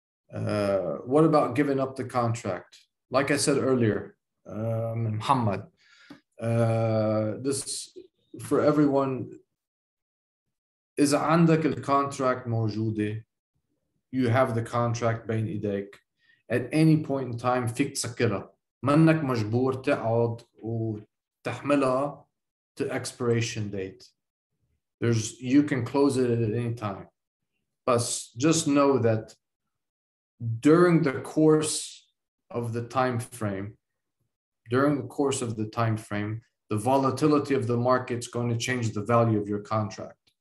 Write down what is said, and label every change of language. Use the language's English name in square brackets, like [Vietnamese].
[English] What about giving up the contract? Like I said earlier, Muhammad, this for everyone, is [Arabic] عندك [English] contract [Arabic] موجودة, [English] you have the contract [Arabic] بين إيديك. [English] At any point in time, [Arabic] فيك تسكرها. منك مجبور تقعد وتحملها [English] to expiration date. You can close it at any time. But just know that during the course of the time frame, the volatility of the market's going to change the value of your contract.